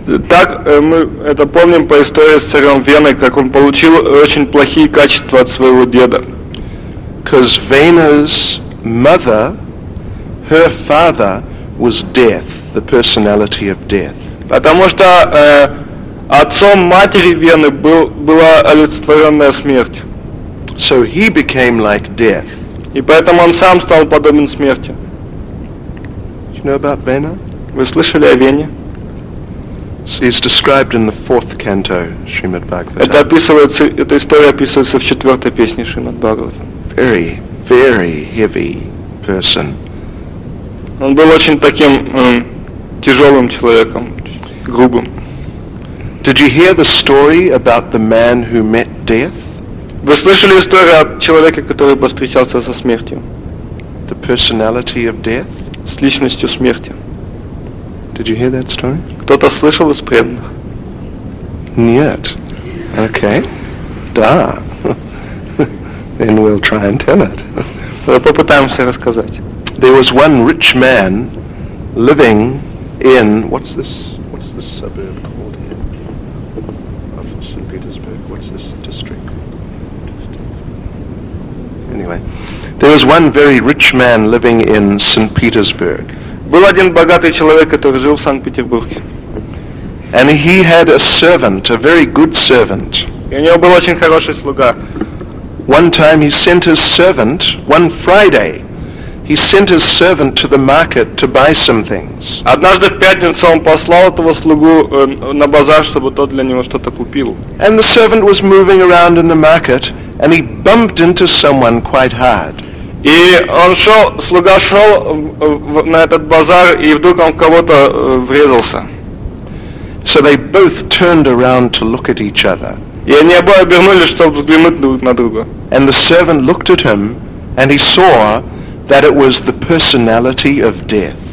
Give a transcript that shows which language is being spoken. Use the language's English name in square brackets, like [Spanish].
[Russian] Так мы это помним по истории с царем Веной, как он получил очень плохие качества от своего деда. [English] Because Vena's mother, her father was death, the personality of death. [Russian] Потому что отцом матери Вены была олицетворенная смерть. [English] So he became like death. [Russian] И поэтому он сам стал подобен смерти. [English] You know about Vena? [Russian] Вы слышали о Вене? [English] Is described in the fourth canto, Srimad Bhagavatam. [Russian] Это описывается, эта история описывается в четвертой песне Шримад Бхагаватам. [English] Very, very heavy person. [Russian] Он был очень таким тяжелым человеком, грубым. [English] Did you hear the story about the man who met death? [Russian] Вы слышали историю о человеке, который повстречался со смертью? [English] The personality of death? [Russian] С личностью смерти. [English] Did you hear that story? [Russian] Кто-то слышал из преданных? [English] Нет. Okay. Да. Then we'll try and tell it. [Russian] Попытаемся рассказать. [English] There was one rich man living in what's this suburb called here? Of St. Petersburg. What's this district? Anyway. There was one very rich man living in St. Petersburg. [Russian] Был один богатый человек, который жил в Санкт-Петербурге. [English] And he had a servant, a very good servant. [Russian] И у него был очень хороший слуга. [English] One time he sent his servant, one Friday, he sent his servant to the market to buy some things. [Russian] Однажды в пятницу он послал этого слугу на базар, чтобы тот для него что-то купил. [English] And the servant was moving around in the market, and he bumped into someone quite hard. [Russian] И он шел, слуга шел на этот базар, и вдруг он в кого-то врезался. [English] So they both turned around to look at each other. [Russian] И они оба обернулись, чтобы взглянуть друг на друга. [English] And the servant looked at him, and he saw that it was the personality of death.